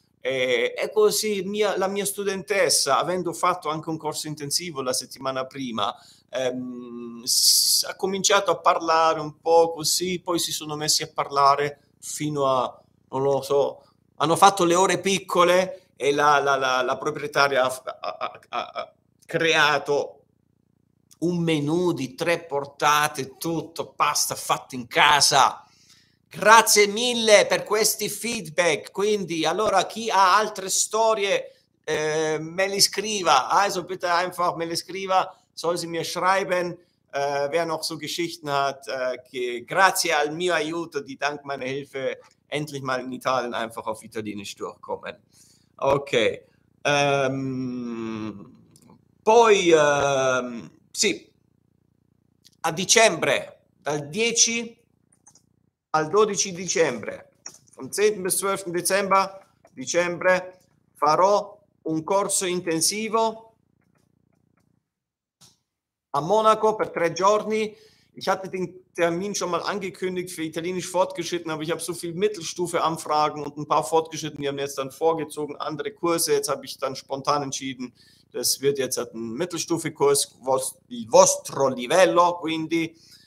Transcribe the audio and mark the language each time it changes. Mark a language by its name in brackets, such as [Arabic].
[Italian] E così la mia studentessa, avendo fatto anche un corso intensivo la settimana prima, ha cominciato a parlare un po' così, poi si sono messi a parlare fino a, non lo so, hanno fatto le ore piccole e la proprietaria ha creato un menù di tre portate, tutto pasta fatta in casa. Grazie mille per questi feedback. Quindi, allora, chi ha altre storie, me le scriva. [German] Also, bitte einfach, [Italian] me le scriva. [German] Soll sie mir schreiben, wer noch so Geschichten hat, [Italian] che grazie al mio aiuto, di [German] dank meiner Hilfe, endlich mal in Italien einfach auf Italienisch durchkommen. [Italian] Ok. Poi, sì, a dicembre, dal 10 al 12 dicembre, [German] vom 10. bis 12. [Italian] Dezember, dicembre, farò un corso intensivo a Monaco per 3 giorni. [German] Ich hatte den Termin schon mal angekündigt für Italienisch fortgeschritten, aber ich habe so viel Mittelstufe-Anfragen und ein paar Fortgeschritten, die haben jetzt dann vorgezogen, andere Kurse. Jetzt habe ich dann spontan entschieden, das wird jetzt ein Mittelstufe-Kurs, [Italian] il vostro livello, quindi.